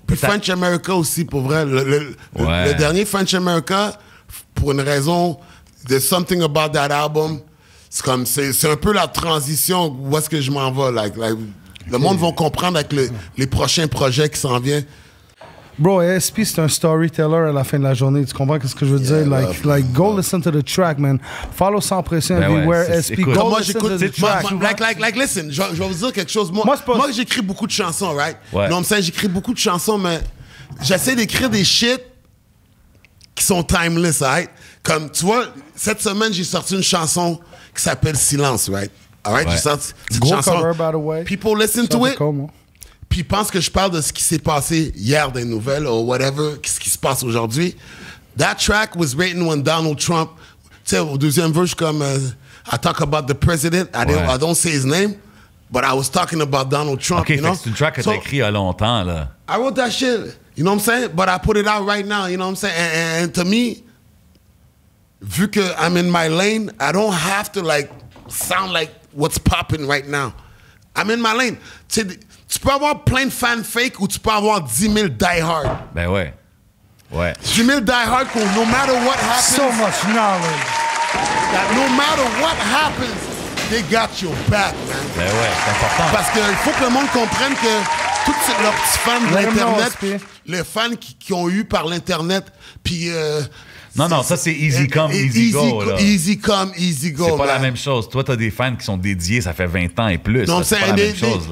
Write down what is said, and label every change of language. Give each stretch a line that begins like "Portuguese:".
French: Puis French America aussi, pour vrai. Le dernier French America, pour une raison,
English: there's something about that album,
French: c'est comme. C'est un peu la transition où est-ce que je m'en vais. Like, le monde va comprendre avec les prochains projets qui s'en viennent. Bro, ASP, c'est un storyteller à la fin de la journée. Tu comprends ce que je veux dire?
English: Yeah, like, go listen to the track, man.
French: Follow sans pression, ben beware ASP. Écoute. Go moi,
English: listen to the track. Like, listen,
French: je vais vous dire quelque chose. Moi, j'écris beaucoup de chansons, right? Ouais. Non, mais j'écris beaucoup de chansons, mais j'essaie d'écrire des shit qui sont timeless, right? Comme, tu vois, cette semaine, j'ai sorti une chanson qui s'appelle Silence, right?
English: All right?
French: Ouais. J'ai sorti cette gros chanson.
English: Cover, by the way. People listen
French: ça
English: to it.
French: Puis ils pensent que je parle de ce qui s'est passé hier des nouvelles ou whatever, qu'est-ce qui se passe aujourd'hui.
English: That track was written when Donald Trump,
French: tu sais, au deuxième vers, je suis comme,
English: I talk about the president, I don't say his name, but I was talking about Donald Trump, okay, you know?
French: OK, c'est une track que t'as écrit il y a longtemps, là.
English: I wrote that shit, you know what I'm saying? But I put it out right now, you know what I'm saying? And to me,
French: vu que
English: I'm in my lane, I don't have to, like, sound like what's popping right now. I'm in my lane.
French: Tu peux avoir plein de fans fake ou tu peux avoir 10 000 diehard. Ben ouais. Ouais.
English: 10 000 diehard pour no matter what happens. So much knowledge. That no matter what happens, they got your back, man.
French: Ben ouais, c'est important. Parce qu'il faut que le monde comprenne que tous leurs petits fans de l'Internet, les fans qui ont eu par l'Internet, puis. Non, ça c'est
English: easy come, easy go. Easy come, easy go.
French: C'est pas
English: man.
French: La même chose. Toi, t'as des fans qui sont dédiés, ça fait 20 ans et plus. Non, ça, c'est pas la même chose.